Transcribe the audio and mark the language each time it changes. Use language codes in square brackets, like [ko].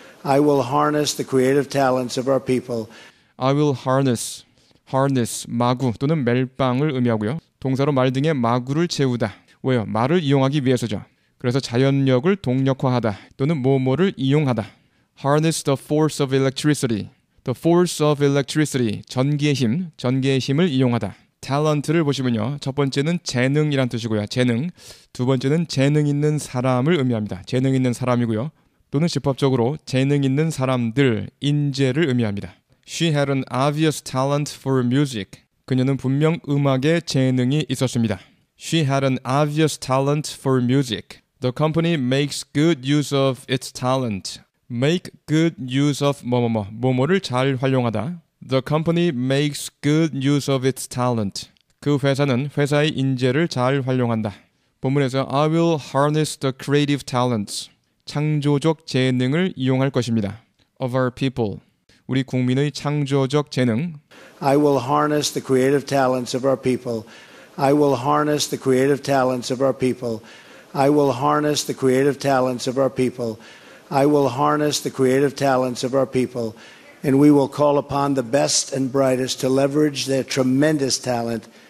[en] I will harness the creative talents of our people. I will harness. [ko] Harness, 마구 또는 멜빵을 의미하고요. 동사로 말 등의 마구를 채우다. 왜요? 말을 이용하기 위해서죠. 그래서 자연력을 동력화하다 또는 뭐뭐를 이용하다. [en] Harness the force of electricity. The force of electricity. [ko] 전기의 힘, 전기의 힘을 이용하다. Talent를 보시면요. 첫 번째는 재능이란 뜻이고요. 재능. 두 번째는 재능 있는 사람을 의미합니다. 재능 있는 사람이고요. 또는 집합적으로 재능 있는 사람들, 인재를 의미합니다. [en] She had an obvious talent for music. [ko] 그녀는 분명 음악에 재능이 있었습니다. [en] She had an obvious talent for music. The company makes good use of its talent. Make good use of [ko] 뭐뭐뭐, 뭐뭐를 잘 활용하다. [en] The company makes good use of its talent. [ko] 그 회사는 회사의 인재를 잘 활용한다. 본문에서 [en] I will harness the creative talents. [ko] 창조적 재능을 이용할 것입니다. [en] Of our people. [ko] 우리 국민의 창조적 재능. [en] I will harness the creative talents of our people. I will harness the creative talents of our people. I will harness the creative talents of our people. I will harness the creative talents of our people. And we will call upon the best and brightest to leverage their tremendous talent.